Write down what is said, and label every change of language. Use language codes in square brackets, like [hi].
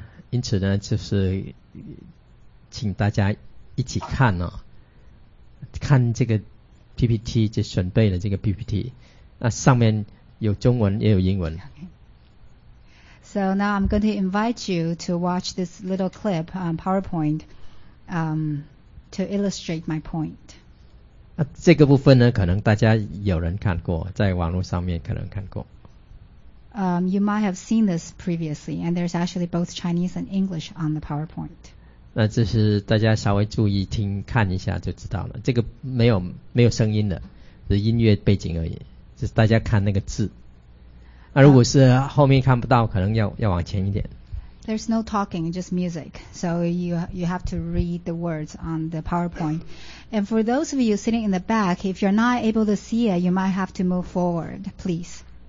[zh] 因此呢，就是请大家一起看哦，看这个 PPT， 就准备了这个 PPT， 那上面有中文也有英文。 [en] So now I'm going to invite you to watch this little clip on PowerPoint to illustrate my point. [zh] 那这个部分呢，可能大家有人看过，在网络上面可能看过。 [en] You might have seen this previously, and there's actually both Chinese and English on the PowerPoint. [zh] 那这是大家稍微注意听看一下就知道了。这个没有声音的，是音乐背景而已。就是大家看那个字，那如果是后面看不到，可能要往前一点。 [en] There's no talking, just music. So you have to read the words on the PowerPoint. And for those of you sitting in the back, if you're not able to see it, you might have to move forward, please.